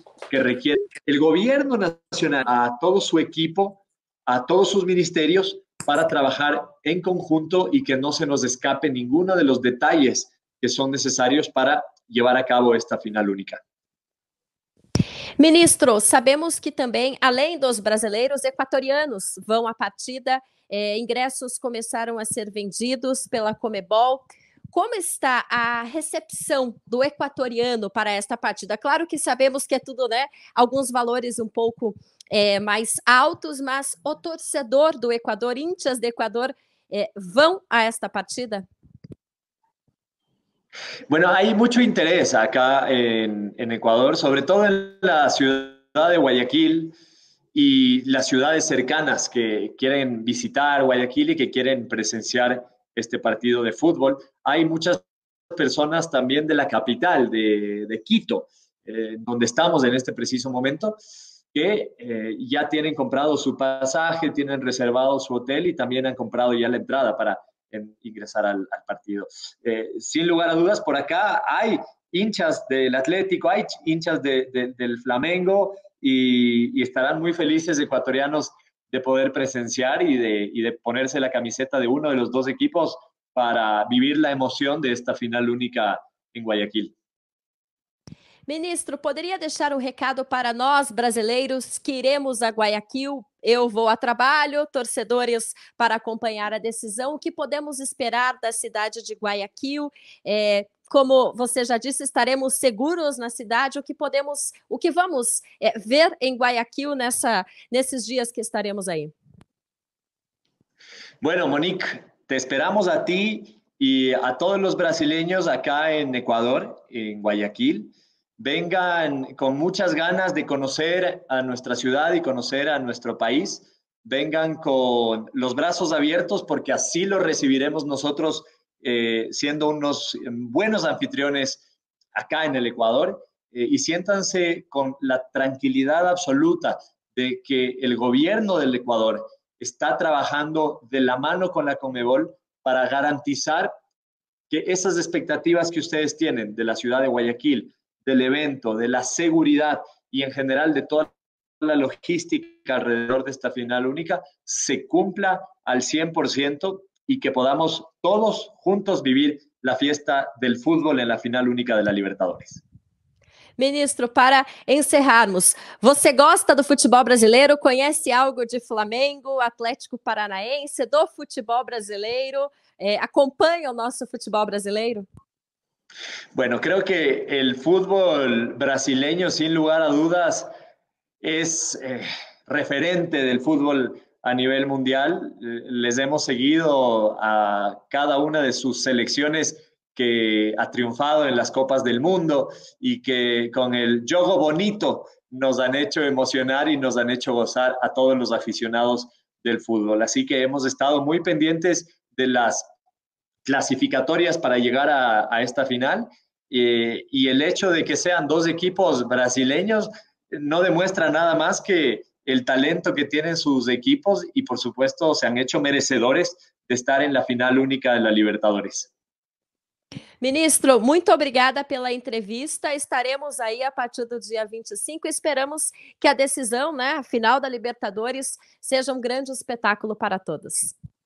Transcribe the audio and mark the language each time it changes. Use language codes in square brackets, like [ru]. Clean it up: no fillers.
[es] que requiere el gobierno nacional a todo su equipo, a todos sus ministerios, para trabajar en conjunto y que no se nos escape ninguno de los detalles que son necesarios para llevar a cabo esta final única. [pt] Ministro, sabemos que também, além dos brasileiros, equatorianos vão à partida. Ingressos começaram a ser vendidos pela Comebol. Como está a recepção do equatoriano para esta partida? Claro que sabemos que é tudo, né? Alguns valores um pouco mais altos, mas o torcedor do Equador, índias do Equador, vão a esta partida? [es] Bueno, hay mucho interés acá en Ecuador, sobre todo en la ciudad de Guayaquil y las ciudades cercanas que quieren visitar Guayaquil y que quieren presenciar este partido de fútbol. Hay muchas personas también de la capital, de Quito, donde estamos en este preciso momento, que ya tienen comprado su pasaje, tienen reservado su hotel y también han comprado ya la entrada para en ingresar al partido. Sin lugar a dudas, por acá hay hinchas del Atlético, hay hinchas del Flamengo y estarán muy felices ecuatorianos de poder presenciar y de ponerse la camiseta de uno de los dos equipos para vivir la emoción de esta final única en Guayaquil. [pt] Ministro, poderia deixar um recado para nós, brasileiros, que iremos a Guayaquil? Eu vou a trabalho, torcedores para acompanhar a decisão. O que podemos esperar da cidade de Guayaquil? Como você já disse, estaremos seguros na cidade. O que vamos ver em Guayaquil nesses dias que estaremos aí? [es] Bueno, Monique, te esperamos a ti [pt] e a todos os brasileiros [es] acá em Ecuador, em Guayaquil. Vengan con muchas ganas de conocer a nuestra ciudad y conocer a nuestro país. Vengan con los brazos abiertos porque así lo recibiremos nosotros siendo unos buenos anfitriones acá en el Ecuador. Y siéntanse con la tranquilidad absoluta de que el gobierno del Ecuador está trabajando de la mano con la Conmebol para garantizar que esas expectativas que ustedes tienen de la ciudad de Guayaquil, del evento, de la seguridad y en general de toda la logística alrededor de esta final única, se cumpla al 100% y que podamos todos juntos vivir la fiesta del fútbol en la final única de la Libertadores. [pt] Ministro, para encerrarmos, ¿você gosta do futebol brasileiro? ¿Conhece algo de Flamengo, Atlético Paranaense, do futebol brasileiro? ¿Acompanha o nosso futebol brasileiro? [es] Bueno, creo que el fútbol brasileño, sin lugar a dudas, es referente del fútbol a nivel mundial. Les hemos seguido a cada una de sus selecciones que ha triunfado en las Copas del Mundo y que con el jogo bonito nos han hecho emocionar y nos han hecho gozar a todos los aficionados del fútbol. Así que hemos estado muy pendientes de las clasificatorias para llegar a esta final y el hecho de que sean dos equipos brasileños no demuestra nada más que el talento que tienen sus equipos y por supuesto se han hecho merecedores de estar en la final única de la Libertadores. [pt] Ministro, muito obrigada pela entrevista. Estaremos aí a partir do dia 25. Esperamos que a decisão, né, a final da Libertadores seja um grande espetáculo para todos.